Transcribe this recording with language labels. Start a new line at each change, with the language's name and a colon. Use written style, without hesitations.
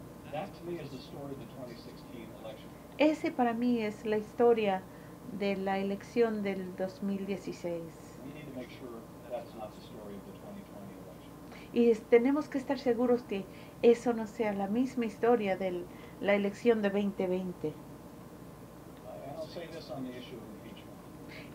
English: That to me is the story of the 2016 election.
Spanish: Ese para mí es la historia de la elección del 2016.
English: We need to make sure that's not the story of the 2020 election.
Spanish: Y tenemos que estar seguros que eso no sea la misma historia de la elección de 2020.
English: And I'll say this on the issue of impeachment.